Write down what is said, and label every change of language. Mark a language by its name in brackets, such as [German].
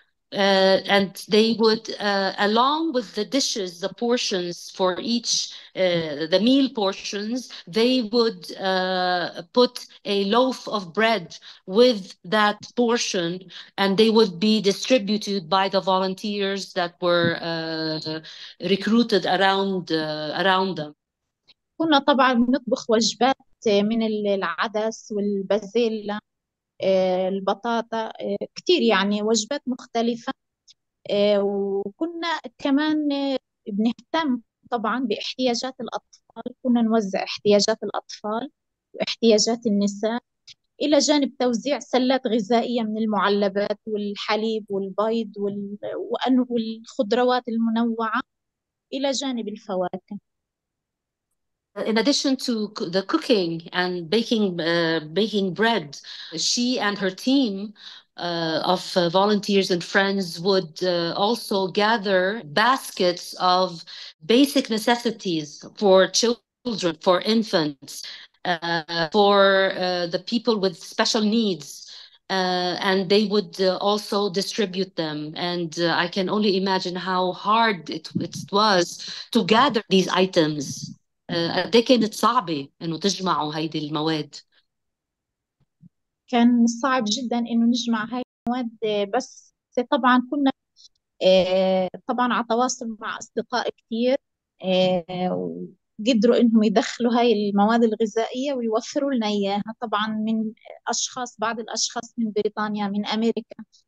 [English] And they would, along with the dishes, the portions for each, the meal portions, they would put a loaf of bread with that portion, and they would be distributed by the volunteers that were recruited around them. [Arabic] كنا طبعا نطبخ وجبات من العدس والبازيلا البطاطا كتير، يعني وجبات مختلفة. وكنا كمان بنهتم طبعا باحتياجات الأطفال، كنا نوزع احتياجات الأطفال واحتياجات النساء إلى جانب توزيع سلات غذائية من المعلبات والحليب والبيض والخضروات المنوعة إلى جانب الفواكه. [English] In addition to the cooking and baking bread, she and her team of volunteers and friends would also gather baskets of basic necessities for children, for infants, for the people with special needs. And they would also distribute them. And I can only imagine how hard it was to gather these items. [Arabic] قد ايه كانت صعبة انه تجمعوا هيدي المواد؟ كان صعب جدا انه نجمع هاي المواد، بس طبعا كنا طبعا على تواصل مع اصدقاء كتير وقدروا انهم يدخلوا هاي المواد الغذائية ويوفروا لنا اياها، طبعا من اشخاص، بعض الاشخاص من بريطانيا من امريكا.